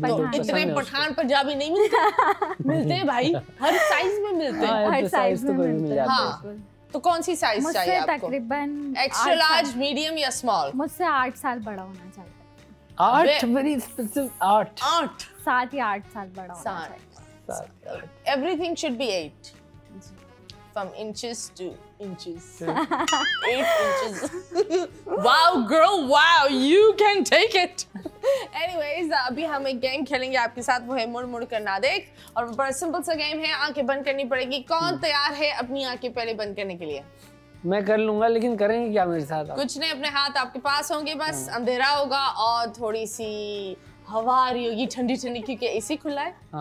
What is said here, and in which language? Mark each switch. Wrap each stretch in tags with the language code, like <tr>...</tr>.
<hi>तो इतने पठान पंजाबी नहीं मिलते. मिलते हैं भाई, हर साइज में मिलते हैं. हर साइज तो कोई मिल जाता है. तो कौन सी साइज चाहिए आपको? मुझसे तकरीबन एक्स्ट्रा लार्ज, मीडियम या स्मॉल? मुझसे 8 साल बड़ा होना चाहिए. 8?</hi> <en>Very specific.</en> <hi>8. 8. 7 या 8 साल बड़ा होना चाहिए.</hi> <en>So, everything should be 8. From inches to inches. 8 inches. Wow, girl, wow, you can take it.</en> <hi>Anyways, अभी हम एक गेम खेलेंगे आपके साथ, वो है मुड़ मुड़ कर ना देख. और बड़ा सिंपल सा गेम है, आंखें बंद करनी पड़ेगी. कौन तैयार है अपनी आंखें पहले बंद करने के लिए? मैं कर लूंगा, लेकिन करेंगे क्या मेरे साथ? कुछ नहीं, अपने हाथ आपके पास होंगे, बस अंधेरा होगा और थोड़ी सी हवा आ रही होगी ठंडी ठंडी, क्योंकि एसी खुला है.</hi>